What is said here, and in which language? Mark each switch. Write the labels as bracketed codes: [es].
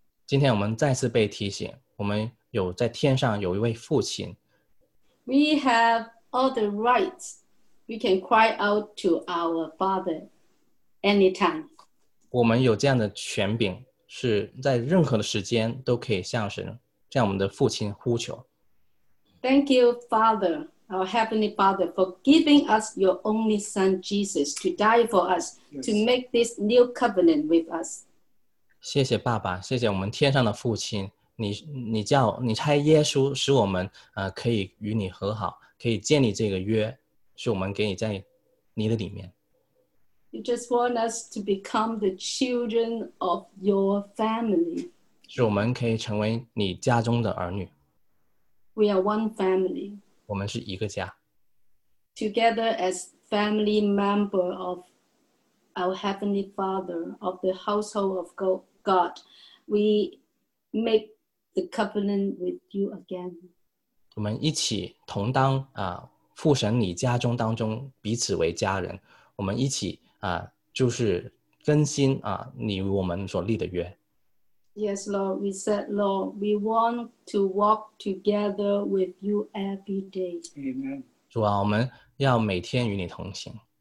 [zh] 今天我们再次被提醒，我们有在天上有一位父亲。 [en] We have all the rights. We can cry out to our father anytime. [zh] 我们有这样的权柄，是在任何的时间都可以向神，向我们的父亲呼求。 [en] Thank you, Father, our Heavenly Father, for giving us your only Son, Jesus, to die for us, to make this new covenant with us. [zh] 谢谢爸爸，谢谢我们天上的父亲，你差耶稣使我们可以与你和好，可以建立这个约，是我们给你在你的里面。 [en] You just want us to become the children of your family. [zh] 是我们可以成为你家中的儿女。 [en] We are one family. [zh] 我们是一个家。 [en] Together as family member of our Heavenly Father, of the household of God, we make the covenant with you again. [zh] 我们一起同当父神你家中当中彼此为家人，我们一起就是更新你与我们所立的约。 [en] Yes, Lord, we said, Lord, we want to walk together with you every day. Amen. [zh] 主啊，我们要每天与你同行。